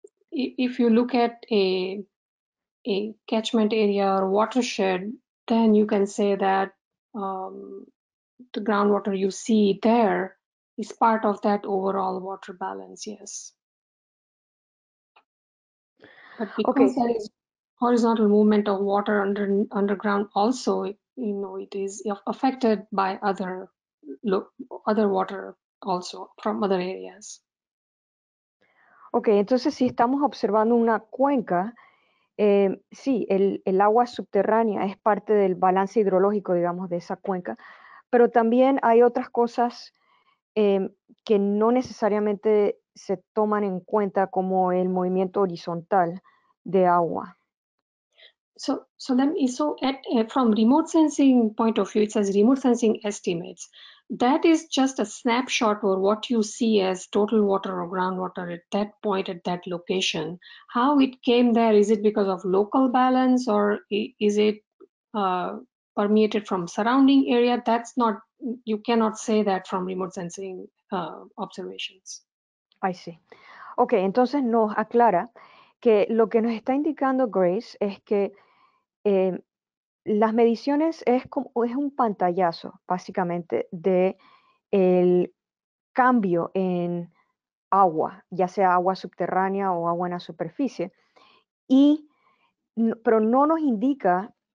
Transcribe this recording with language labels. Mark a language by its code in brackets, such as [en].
[en] If you look at a catchment area or watershed, then you can say that the groundwater you see there is part of that overall water balance, yes. But because there is horizontal movement of water underground also, you know, it is affected by other water also from other areas. [es] Okay, entonces si estamos observando una cuenca, sí, el agua subterránea es parte del balance hidrológico, digamos, de esa cuenca, pero también hay otras cosas que no necesariamente se toman en cuenta, como el movimiento horizontal de agua. [en] From remote sensing point of view, it says remote sensing estimates. That is just a snapshot or what you see as total water or groundwater at that point, at that location. How it came there, is it because of local balance or is it permeated from surrounding area? That's not, you cannot say that from remote sensing observations. I see. [es] Okay, entonces nos aclara que lo que nos está indicando Grace es que las mediciones es un pantallazo, básicamente, del cambio en agua, ya sea agua subterránea o agua en la superficie, pero no nos indica